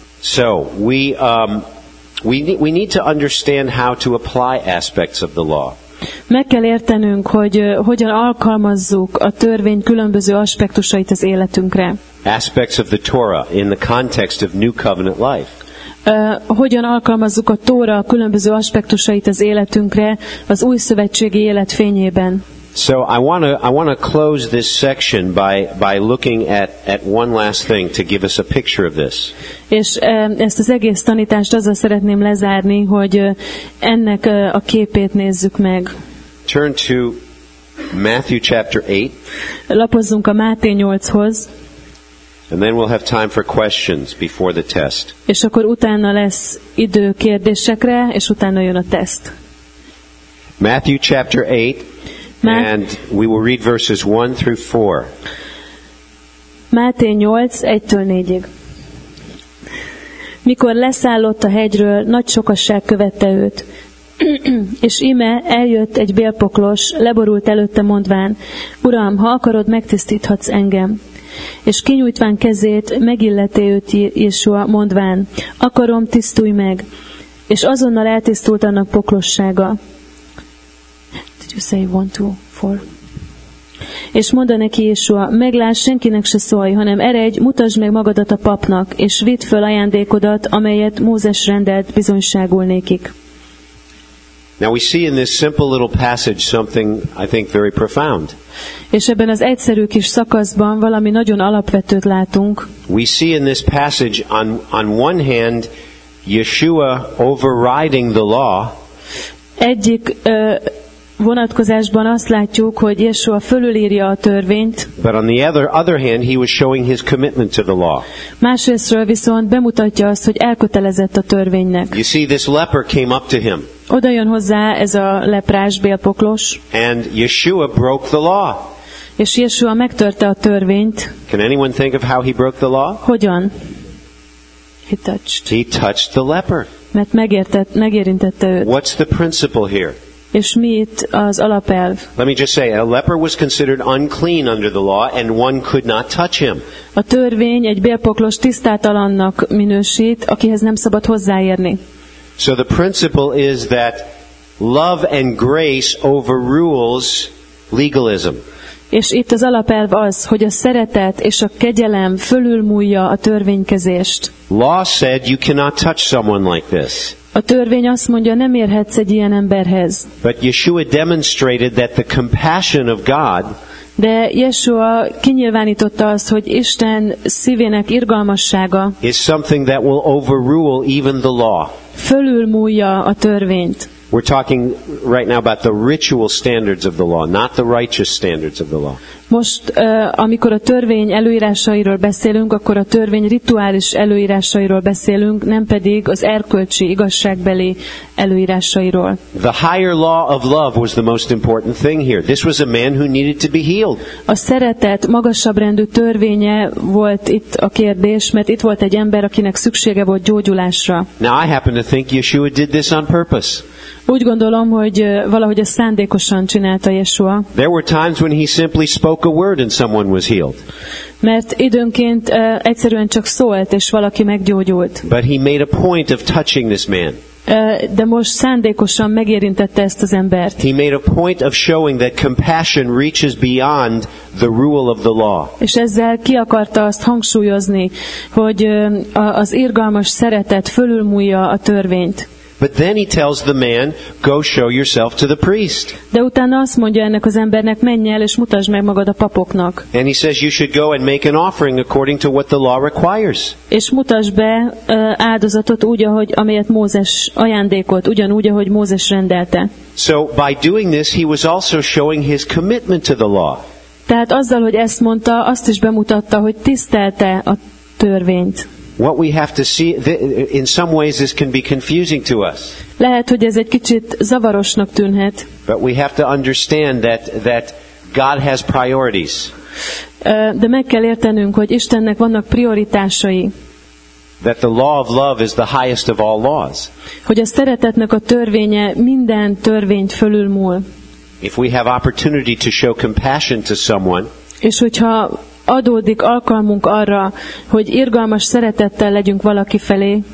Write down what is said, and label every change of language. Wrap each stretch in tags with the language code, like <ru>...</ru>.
<en>So we need to understand how to apply aspects of the law.</en> <hu>Meg kell értenünk, hogy hogyan alkalmazzuk a törvény különböző aspektusait az életünkre.</hu> <en>Aspects of the Torah in the context of New Covenant life.</en> <hu>hogyan alkalmazzuk a Tóra különböző aspektusait az életünkre, az új szövetségi élet fényében.</hu> <en>So I want to close this section by looking at one last thing to give us a picture of this.</en> <hu>És ezt az egész tanítást azzal szeretném lezárni, hogy ennek a képét nézzük meg.</hu> <en>Turn to Matthew chapter 8.</en> <hu>Lapozzunk a Máté 8-hoz.</hu> <en>And then we'll have time for questions before the test.</en> <hu>És akkor utána lesz idő kérdésekre, és utána jön a teszt.</hu> <en>Matthew chapter 8. And we will read verses 1 through 4.</en> <hu>Máté 8, 1-től 4-ig. Mikor leszállott a hegyről, nagy sokasság követte őt. És íme eljött egy bélpoklos, leborult előtte mondván, Uram, ha akarod, megtisztíthatsz engem. És kinyújtván kezét, megillette őt Jézusa mondván, akarom, tisztulj meg. És azonnal eltisztult annak poklossága.</hu> <en>Say 1, 2, 4.</en> <hu>És mondta neki Jézusa, megláss, senkinek se szólj, hanem eredj, mutasd meg magadat a papnak, és vidd föl ajándékodat, amelyet Mózes rendelt bizonyságul nékik.</hu> <en>Now we see in this simple little passage something I think very profound.</en> <hu>És ebben az egyszerű kis szakaszban valami nagyon alapvetőt látunk.</hu> <en>We see in this passage on one hand Yeshua overriding the law.</en> <hu>Egyik vonatkozásban azt látjuk, hogy Yeshua fölülírja a törvényt.</hu> <en>But on the other hand, he was showing his commitment to the law.</en> <hu>Másrésztről viszont bemutatja azt, hogy elkötelezett a törvénynek.</hu> <en>You see, this leper came up to him.</en> <hu>Oda jön hozzá ez a leprás bélpoklos.</hu> <en>And Yeshua broke the law.</en> <hu>És Yeshua megtörte a törvényt.</hu> <en>Can anyone think of how he broke the law?</en> <hu>Hogyan?</hu> <en>He touched the leper.</en> <hu>Mert megérintette őt.</hu> <en>What's the principle here?</en> <hu>És mi itt az alapelv?</hu> <en>Let me just say, a leper was considered unclean under the law, and one could not touch him.</en> <hu>A törvény egy bélpoklos tisztátalannak minősít, akihez nem szabad hozzáérni.</hu> <en>So the principle is that love and grace overrules legalism.</en> <hu>És itt az alapelv az, hogy a szeretet és a kegyelem fölülmúlja a törvénykezést.</hu> <en>Law said you cannot touch someone like this.</en> <hu>A törvény azt mondja, nem érhetsz egy ilyen emberhez.</hu> <en>But Yeshua demonstrated that the compassion of God.</en> <hu>De Yeshua kinyilvánította azt, hogy Isten szívének irgalmassága</hu> <en>is something that will overrule even the law.</en> <hu>Fölülmúlja a törvényt.</hu> <en>We're talking right now about the ritual standards of the law, not the righteous standards of the law.</en> <hu>Most amikor a törvény előírásairól beszélünk, akkor a törvény rituális előírásairól beszélünk, nem pedig az erkölcsi igazságbeli előírásairól.</hu> <en>The higher law of love was the most important thing here. This was a man who needed to be healed.</en> <hu>A szeretet magasabb rendű törvénye volt itt a kérdés, mert itt volt egy ember, akinek szüksége volt gyógyulásra.</hu> <en>Now I happen to think Yeshua did this on purpose.</en> <hu>Úgy gondolom, hogy valahogy ezt szándékosan csinálta Yeshua.</hu> <en>There were times when he simply spoke a word and someone was healed.</en> <hu>Mert időnként egyszerűen csak szólt, és valaki meggyógyult.</hu> <en>But he made a point of touching this man.</en> <hu>De most szándékosan megérintette ezt az embert.</hu> <en>He made a point of showing that compassion reaches beyond the rule of the law.</en> <hu>És ezzel ki akarta azt hangsúlyozni, hogy az irgalmas szeretet fölülmúlja a törvényt.</hu> <en>But then he tells the man, go show yourself to the priest.</en> <hu>De utána azt mondja ennek az embernek, menj el és mutasd meg magad a papoknak.</hu> <en>And he says you should go and make an offering according to what the law requires.</en> <hu>És mutasd be áldozatot úgy, ahogy amelyet Mózes ajándékolt, ugyanúgy, ahogy Mózes rendelte.</hu> <en>So by doing this he was also showing his commitment to the law.</en> <hu>Tehát azzal, hogy ezt mondta, azt is bemutatta, hogy tisztelte a törvényt.</hu> <en>What we have to see, in some ways this can be confusing to us.</en> <hu>Lehet, hogy ez egy kicsit zavarosnak tűnhet.</hu> <en>But we have to understand that God has priorities.</en> <hu>De meg kell értenünk, hogy Istennek vannak prioritásai.</hu> <en>That the law of love is the highest of all laws.</en> <hu>Hogy a szeretetnek a törvénye minden törvényt fölülmúl.</hu> <en>If we have opportunity to show compassion to someone.</en> <hu>És hogyha adódik alkalmunk arra, hogy irgalmas szeretettel legyünk valaki felé.</hu>